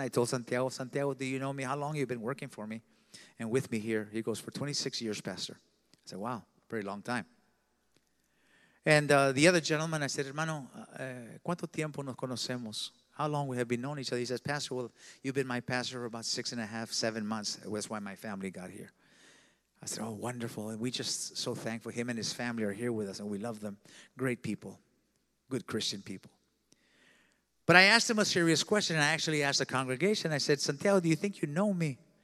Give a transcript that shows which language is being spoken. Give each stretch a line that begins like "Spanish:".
English: I told Santiago, do you know me? How long have you been working for me and with me here? He goes, for 26 years, Pastor. I said, wow, very long time. And the other gentleman, I said,
Spanish: hermano, ¿cuánto tiempo nos conocemos?
English: How long we have been known each other? He says, Pastor, well, you've been my pastor for about 6.5-7 months. That's why my family got here. I said, oh, wonderful. And we just so thankful. Him and his family are here with us, and we love them. Great people. Good Christian people. But I asked him a serious question. And I actually asked the congregation. I said, Santiago, do you think you know me?